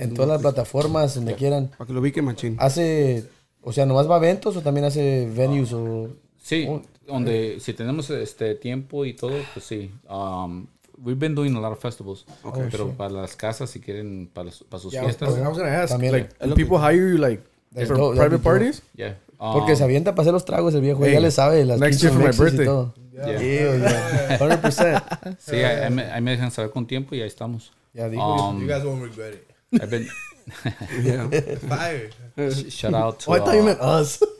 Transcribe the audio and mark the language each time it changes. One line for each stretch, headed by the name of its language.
Spanish: En todas las plataformas, donde quieran. Para que lo ubiquen, machín. Hace. O sea, ¿nomás va a eventos o también hace venues o.? Sí. Donde si tenemos tiempo y todo, pues sí.
English: We've been doing a lot of festivals. Okay, pero sure.
Spanish: Para las casas, si quieren, para sus fiestas.
English: I was going to ask, do people hire you for private parties? Yeah.
Spanish: Porque se avienta para hacer los tragos el viejo. Ya le sabe. Las
English: next year for my birthday. Yeah. 100%.
Spanish: Sí, ahí me dejan saber con tiempo y ahí estamos.
English: You guys won't regret it. I've been... Yeah. Fire. Shout out to I thought you meant us.